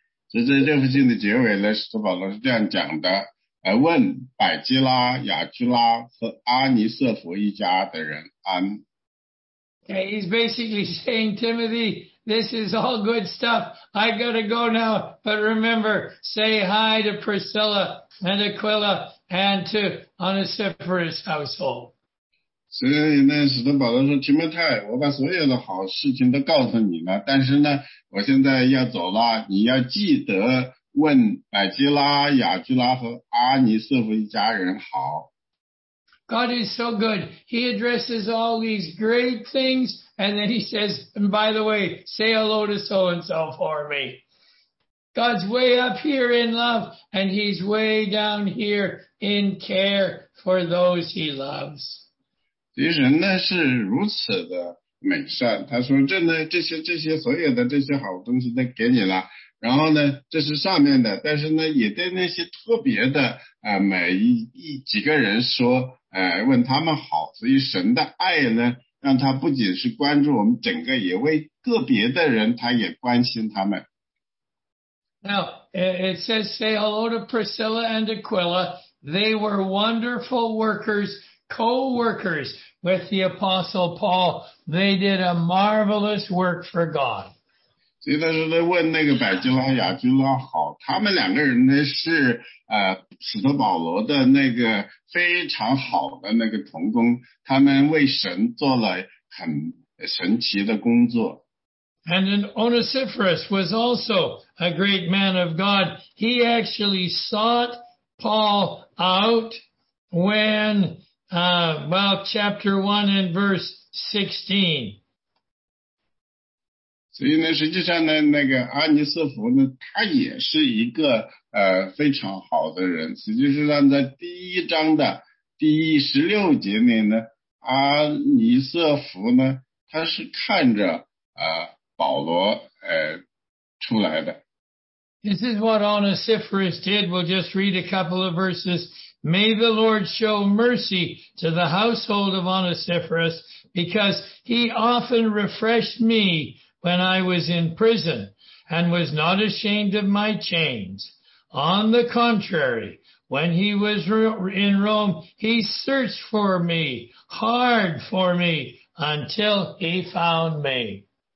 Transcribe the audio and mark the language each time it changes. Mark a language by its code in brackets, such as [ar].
[zh] 所以在这封信的结尾呢使徒保罗是这样讲的问百基拉雅居拉和阿尼瑟弗一家的人安。 [en] Okay, he's basically saying, Timothy, this is all good stuff. I gotta go now. But remember, say hi to Priscilla and Aquila and to Onesiphorus' household. [zh] 所以呢使徒保罗说提摩太我把所有的好事情都告诉你了但是呢我现在要走了你要记得问百基拉雅居拉和阿尼瑟夫一家人好。 [en] God is so good. He addresses all these great things and then he says, and by the way, say hello to so-and-so for me. God's way up here in love and he's way down here in care for those he loves. [zh] 其实人呢是如此的美善他说这呢这些所有的这些好东西都给你了然后呢这是上面的但是呢也对那些特别的每一几个人说问他们好所以神的爱呢让他不仅是关注我们整个也为个别的人他也关心他们。 [en] Now, it says say hello to Priscilla and Aquila, they were wonderful workers,co-workers with the Apostle Paul. They did a marvelous work for God. [zh] 所以他说他问那个百基拉雅居拉好他们两个人呢是使徒保罗的那个非常好的那个同工他们为神做了很神奇的工作。 [en] And an Onesiphorus was also a great man of God. He actually sought Paul out whenchapter 1 and verse 16. [zh] 所以呢实际上呢那个阿尼瑟弗呢他也是一个非常好的人。实际上在第一章的第16节里呢阿尼瑟弗呢他是看着保罗出来的。 [en] This is what Onesiphorus did. We'll just read a couple of verses. May the Lord show mercy to the household of Onesiphorus because he often refreshed me when I was in prison and was not ashamed of my chains. On the contrary, when he was in Rome, he searched for me, hard for me, until he found me.